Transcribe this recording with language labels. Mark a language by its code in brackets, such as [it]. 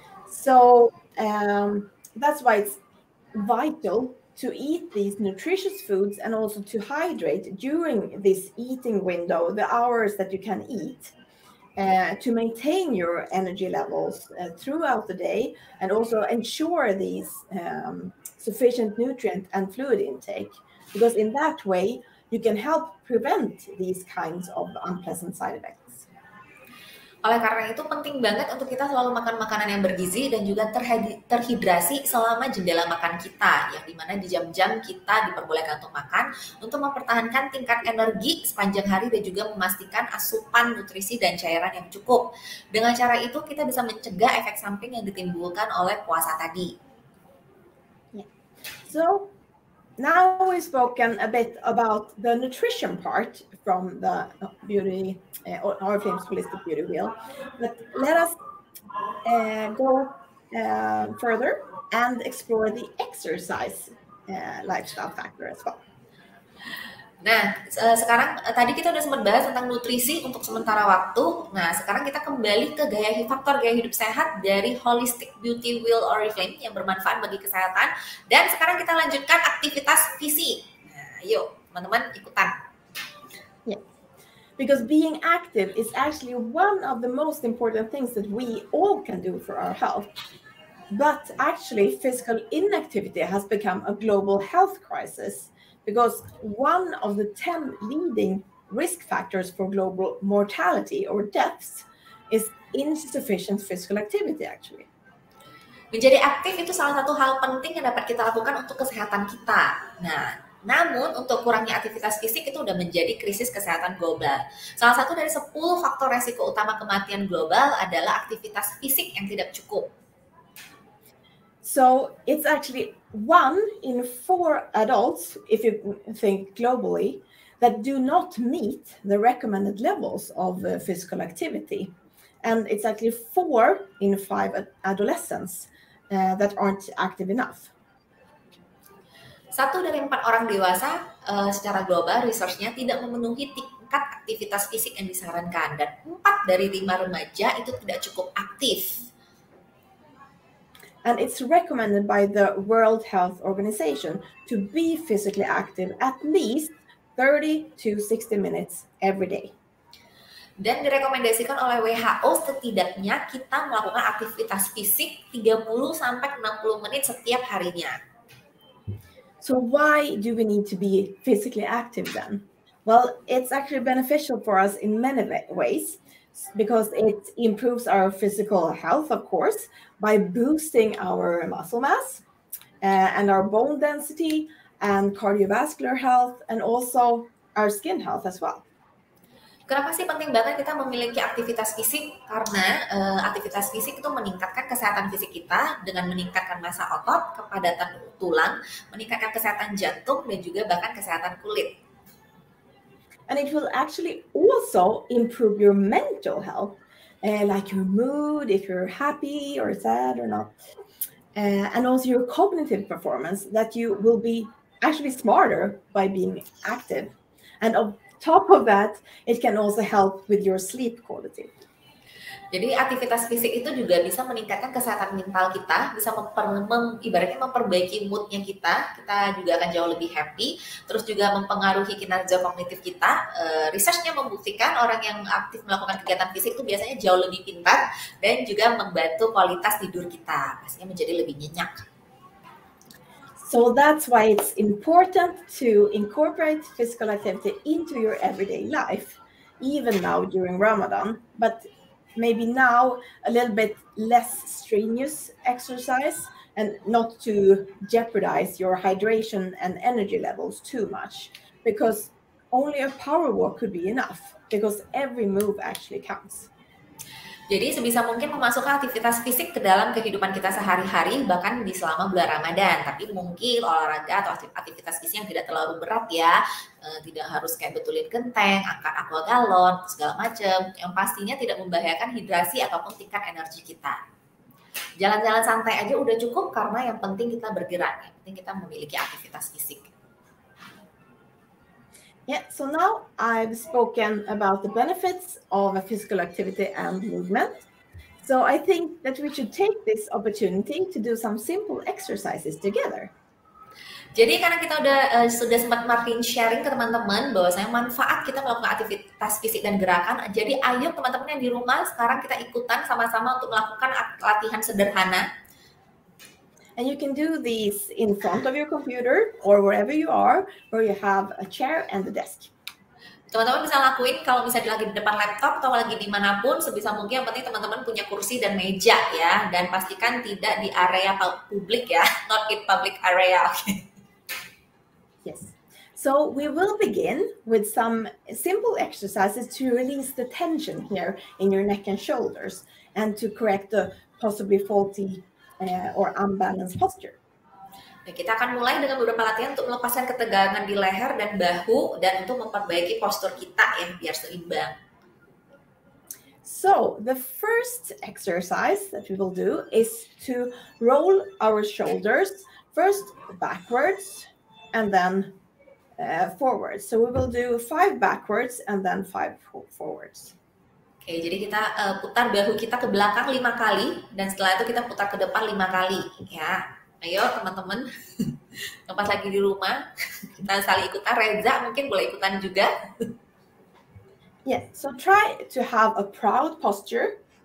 [en] So that's why it's vital to eat these nutritious foods and also to hydrate during this eating window, the hours that you can eat, to maintain your energy levels throughout the day and also ensure these sufficient nutrient and fluid intake. Because in that way, you can help prevent these kinds of unpleasant side effects. [id] Oleh karena itu penting banget untuk kita selalu makan makanan yang bergizi dan juga terhidrasi selama jendela makan kita, yang dimana di jam-jam kita diperbolehkan untuk makan untuk mempertahankan tingkat energi sepanjang hari dan juga memastikan asupan nutrisi dan cairan yang cukup. Dengan cara itu kita bisa mencegah efek samping yang ditimbulkan oleh puasa tadi. [en] So now we spoken a bit about the nutrition part from the beauty, our famous holistic beauty wheel. But let us go further and explore the exercise lifestyle factor as well. [id] Nah, sekarang tadi kita udah sempat bahas tentang nutrisi untuk sementara waktu. Nah, sekarang kita kembali ke gaya hidup, faktor gaya hidup sehat dari Holistic Beauty Wheel Oriflame yang bermanfaat bagi kesehatan. Dan sekarang kita lanjutkan aktivitas fisik. Nah, yuk, teman-teman ikutan. [en] Yeah. Because being active is actually one of the most important things that we all can do for our health. But actually, physical inactivity has become a global health crisis. Because one of the 10 leading risk factors for global mortality or deaths is insufficient physical activity, actually. [id] Menjadi aktif itu salah satu hal penting yang dapat kita lakukan untuk kesehatan kita. Nah, namun untuk kurangnya aktivitas fisik itu sudah menjadi krisis kesehatan global. Salah satu dari 10 faktor resiko utama kematian global adalah aktivitas fisik yang tidak cukup. [en] So it's actually 1 in 4 adults, if you think globally, that do not meet the recommended levels of physical activity. And it's actually 4 in 5 adolescents that aren't active enough. [id] 1 dari 4 orang dewasa secara global resource-nya tidak memenuhi tingkat aktivitas fisik yang disarankan. Dan 4 dari 5 remaja itu tidak cukup aktif. [en] And it's recommended by the World Health Organization to be physically active at least 30 to 60 minutes every day. [id] Dan direkomendasikan oleh WHO setidaknya kita melakukan aktivitas fisik 30 sampai 60 menit setiap harinya. [en] So why do we need to be physically active then? Well, it's actually beneficial for us in many ways. Because it improves our physical health, of course, by boosting our muscle mass and our bone density and cardiovascular health and also our skin health as well. [id] Kenapa sih penting banget kita memiliki aktivitas fisik? Karena aktivitas fisik itu meningkatkan kesehatan fisik kita dengan meningkatkan massa otot, kepadatan tulang, meningkatkan kesehatan jantung, dan juga bahkan kesehatan kulit. [en] And it will actually also improve your mental health, like your mood, if you're happy or sad or not, and also your cognitive performance, that you will be actually smarter by being active. And on top of that, it can also help with your sleep quality. [id] Jadi aktivitas fisik itu juga bisa meningkatkan kesehatan mental kita, bisa ibaratnya memperbaiki moodnya kita, kita juga akan jauh lebih happy, terus juga mempengaruhi kinerja kognitif kita. Researchnya membuktikan orang yang aktif melakukan kegiatan fisik itu biasanya jauh lebih pintar dan juga membantu kualitas tidur kita, pastinya menjadi lebih nyenyak. [en] So that's why it's important to incorporate physical activity into your everyday life, even now during Ramadan, but maybe now a little bit less strenuous exercise and not to jeopardize your hydration and energy levels too much, because only a power walk could be enough, because every move actually counts. [id] Jadi sebisa mungkin memasukkan aktivitas fisik ke dalam kehidupan kita sehari-hari, bahkan di selama bulan Ramadan. Tapi mungkin olahraga atau aktivitas fisik yang tidak terlalu berat ya, tidak harus kayak betulin genteng, angkat aqua galon, segala macam, yang pastinya tidak membahayakan hidrasi ataupun tingkat energi kita. Jalan-jalan santai aja udah cukup, karena yang penting kita bergerak, yang penting kita memiliki aktivitas fisik. [en] Yeah, so now I've spoken about the benefits of a physical activity and movement. So I think that we should take this opportunity to do some simple exercises together. [id] Jadi karena kita sudah sempat Martin sharing ke teman-teman bahwasanya manfaat kita melakukan aktivitas fisik dan gerakan, jadi ayo teman-teman yang di rumah sekarang kita ikutan sama-sama untuk melakukan latihan sederhana. [en] And you can do these in front of your computer or wherever you are, where you have a chair and a desk. [id] Teman-teman bisa lakuin kalau misalnya lagi di depan laptop atau lagi dimanapun, sebisa mungkin yang penting teman-teman punya kursi dan meja ya, dan pastikan tidak di area publik ya, [en] not in public area. Yes. So we will begin with some simple exercises to release the tension here in your neck and shoulders and to correct the possibly faulty or unbalanced posture. [id] Nah, kita akan mulai dengan beberapa latihan untuk melepaskan ketegangan di leher dan bahu dan untuk memperbaiki postur kita ya biar seimbang. [en] So, the first exercise that we will do is to roll our shoulders first backwards and then forwards. So, we will do 5 backwards and then 5 forwards. [id] Oke, jadi kita putar bahu kita ke belakang 5 kali, dan setelah itu kita putar ke depan 5 kali, ya. Ayo, teman-teman, lepas lagi di rumah, kita saling ikutan. Reza mungkin boleh ikutan juga. [en] Yeah, so try to have a proud posture.